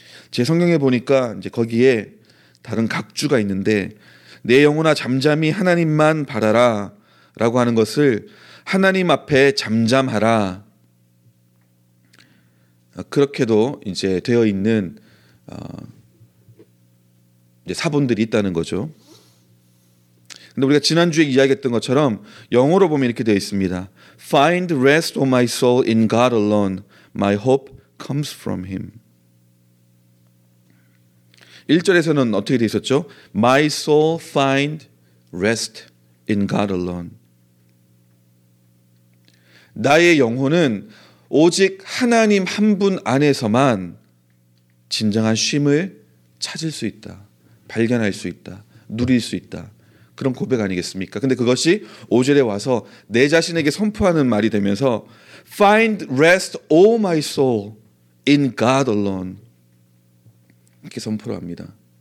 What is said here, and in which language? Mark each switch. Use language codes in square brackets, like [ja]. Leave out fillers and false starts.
[ko] 제 성경에 보니까 이제 거기에 다른 각주가 있는데 내 영혼아 잠잠히 하나님만 바라라 라고 하는 것을 하나님 앞에 잠잠하라 그렇게도 이제 되어 있는 이제 사본들이 있다는 거죠. 근데 우리가 지난주에 이야기했던 것처럼 영어로 보면 이렇게 되어 있습니다. [en] Find rest of my soul in God alone. My hope comes from him. [ko] 1절에서는 어떻게 되어 있었죠? [en] My soul find rest in God alone. [ko] 나의 영혼은 오직 하나님 한 분 안에서만 진정한 쉼을 찾을 수 있다. 발견할 수 있다. 누릴 수 있다. 그런 고백 아니겠습니까? 근데 그것이 5절에 와서 내 자신에게 선포하는 말이 되면서 [en] Find rest, O my soul, in God alone. [ko] 이렇게 선포를 합니다.